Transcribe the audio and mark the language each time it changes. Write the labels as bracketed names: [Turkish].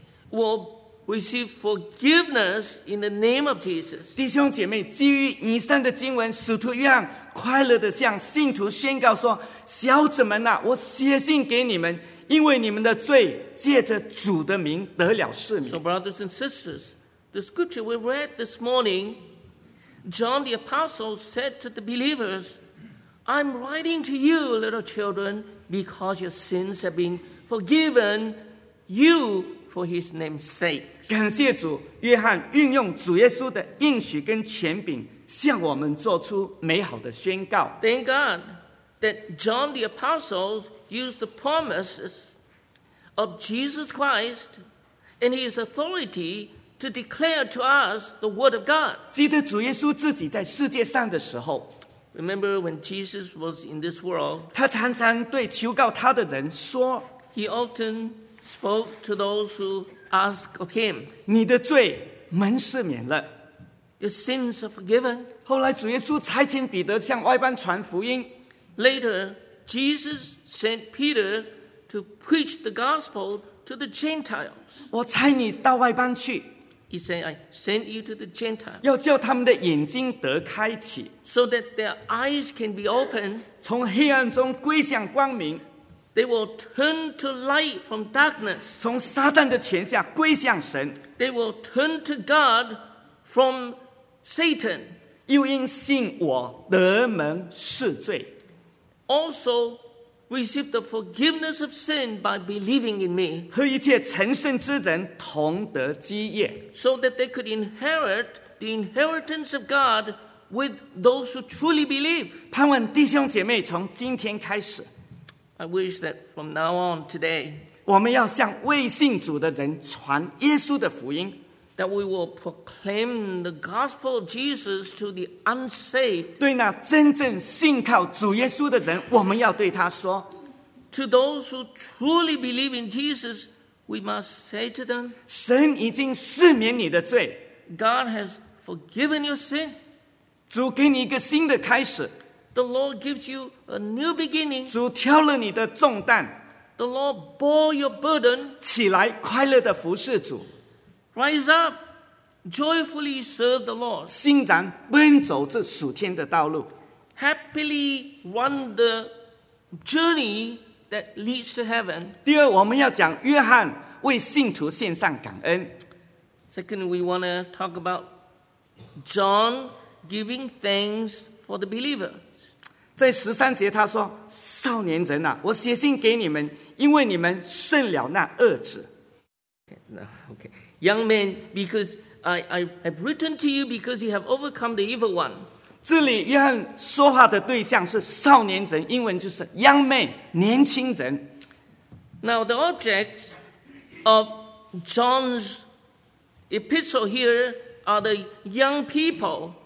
[English] Will receive forgiveness in the name of Jesus. [Chinese] 弟兄姐妹，基于以上的经文，使徒约翰快乐地向信徒宣告说：小子们啊，我写信给你们，因为你们的罪借着主的名得了赦免。 [English] So brothers and sisters, the scripture we read this morning, John the Apostle said to the believers, I'm writing to you, little children, because your sins have been forgiven you for his name's sake. [Chinese] 感谢主，约翰运用主耶稣的应许跟权柄向我们做出美好的宣告。 [English] Thank God that John the Apostle used the promises of Jesus Christ and his authority to declare to us the word of God. [Chinese] 记得主耶稣自己在世界上的时候， [English] Remember when Jesus was in this world, [Chinese] 他常常对求告他的人说， [English] He often spoke to those who asked of him, [Chinese] 你的罪蒙赦免了。 [English] Your sins are forgiven. [Chinese] 后来主耶稣差遣彼得向外邦传福音。 [English] Later, Jesus sent Peter to preach the gospel to the Gentiles. [Chinese] 我差你到外邦去。 [English] He said, I sent you to the Gentiles. [Chinese] 要叫他们的眼睛得开启。 [English] So that their eyes can be opened. [Chinese] 从黑暗中归向光明。 [English] They will turn to light from darkness. [Chinese] 从撒旦的权下归向神。 [English] They will turn to God. From Satan, [Chinese] 又因信我得蒙赦罪 [English] also receive the forgiveness of sin by believing in me, [Chinese] 和一切成圣之人同得基业 [English] so that they could inherit the inheritance of God with those who truly believe. [Chinese] 盼望弟兄姐妹从今天开始 [English] I wish that from now on today, [Chinese] 我们要向未信主的人传耶稣的福音 [English] That we will proclaim the gospel of Jesus to the unsaved. [Chinese] 对那真正信靠主耶稣的人，我们要对他说。 [English] To those who truly believe in Jesus, we must say to them, [Chinese] 神已经赦免你的罪。 [English] God has forgiven your sin. [Chinese] 主给你一个新的开始。 [English] The Lord gives you a new beginning. [Chinese] 主挑了你的重担。 [English] The Lord bore your burden. [Chinese] 起来，快乐地服侍主。 [English] Rise up, joyfully serve the Lord. [Chinese] 欣然奔走这属天的道路。 [English] Happily run the journey that leads to heaven. [Chinese] 第二，我们要讲约翰为信徒献上感恩。 [English] Second, we want to talk about John giving thanks for the believers. [Chinese] 在十三节他说，少年人啊，我写信给你们，因为你们胜了那恶者。 [English] Okay. Young men, because I have written to you because you have overcome the evil one. [Chinese] 这里约翰说话的对象是少年人，英文就是 young men, 年轻人。 [English] Now the object of John's epistle here are the young people.